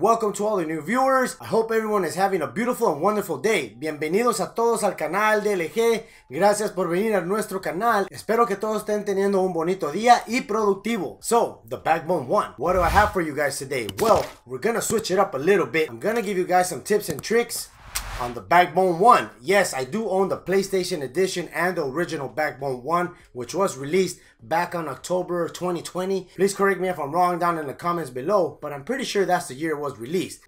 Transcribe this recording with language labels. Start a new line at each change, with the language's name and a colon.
English: Welcome to all the new viewers. I hope everyone is having a beautiful and wonderful day.
Spanish: Bienvenidos a todos al canal de LG. Gracias por venir a nuestro canal. Espero que todos estén teniendo un bonito día y productivo.
English: So, the Backbone One. What do I have for you guys today? Well, we're gonna switch it up a little bit. I'm gonna give you guys some tips and tricks on the Backbone One. Yes, I do own the PlayStation Edition and the original Backbone One, which was released back on October 2020. Please correct me if I'm wrong down in the comments below, but I'm pretty sure that's the year it was released.